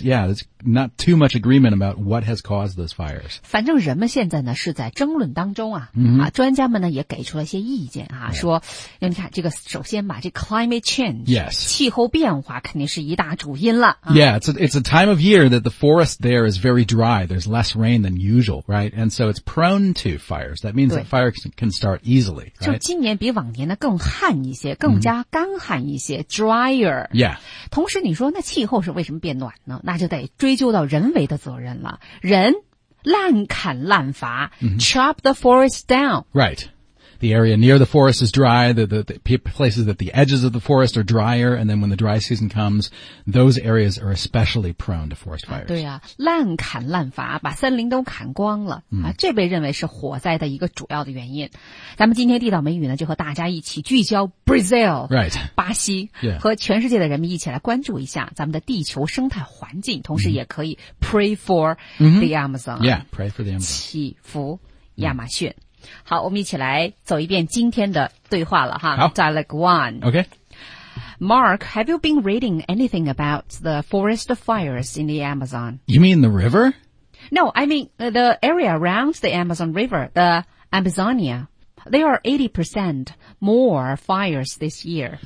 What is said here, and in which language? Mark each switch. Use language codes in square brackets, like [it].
[en] Yeah, there's not too much agreement about what has caused those fires. [zh] 反正人们现在呢是在争论当中 啊,、 mm-hmm. 啊专家们呢也给出了一些意见啊、 [en] yeah. [zh] 说你看这个首先吧这 climate change, [en] yes. [zh] 气候变化肯定是一大主因了、啊、 [en] Yeah, it's a time of year that the forest there is very dry. There's less rain than usual, right? And so it's prone to fires. That means that fire can start easily.、Right? [zh] 就今年比往年呢更旱一些更加干旱一些、mm-hmm. drier. [en] Yeah. [zh] 同时你说那气候是为什么变暖呢那就得追究到人为的责任了人滥砍滥伐、 mm-hmm. [en] chop the forest down right the area near the forest is dry the places at the edges of the forest are drier and then when the dry season comes those areas are especially prone to forest fires、 [zh] 啊、对啊滥砍滥伐把森林都砍光了、 mm-hmm. 啊、这被认为是火灾的一个主要的原因咱们今天地道美语呢就和大家一起聚焦 Brazil [en] right [zh] 巴西、 [en] yeah. [zh] 和全世界的人们一起来关注一下咱们的地球生态环境同时也可以 [en] pray for、 mm-hmm. the Amazon yeah pray for the Amazon [zh] 祈福亚马逊、mm-hmm. 好，我们一起来走一遍今天的对话了哈。好 [en] ，Dialogue One. Okay. Mark, have you been reading anything about the forest fires in the Amazon? You mean the river? No, I mean the area around the Amazon River, the Amazonia. There are 80% more fires this year.